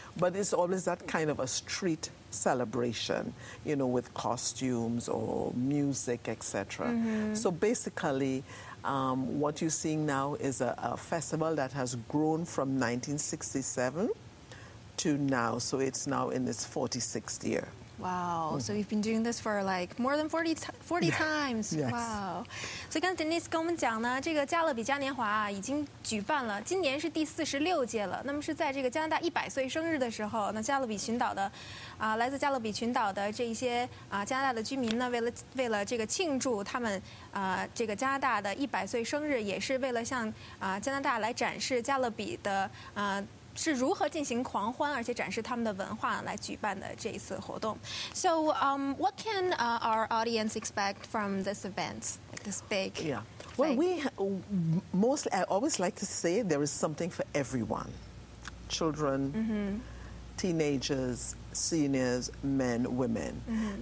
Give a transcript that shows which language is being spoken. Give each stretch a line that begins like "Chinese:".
English: but it's always that kind of a street celebration, with costumes or music, etc. Mm-hmm. So basically, what you're seeing now is a festival that has grown from 1967 to now. So it's now in its 46th year. Wow. Mm-hmm. So you've been doing this for like more than 40 yeah. times. Yes. Wow.
Chinese: 所以刚才 Denise 跟我们讲呢，这个加勒比嘉年华已经举办了，今年是第46届了。那么是在这个加拿大100岁生日的时候，那加勒比群岛的来自加勒比群岛的这一些加拿大的居民呢，为了这个庆祝他们这个加拿大的100岁生日，也是为了向加拿大来展示加勒比的是如何进行狂欢，而且展示他们的文化来举办的这一次活动。
English: So, what can our audience expect from this event, like this big? Yeah. Well, we mostly, I always like to say there is something for everyone. Children, mm-hmm. teenagers, seniors, men, women. Mm-hmm.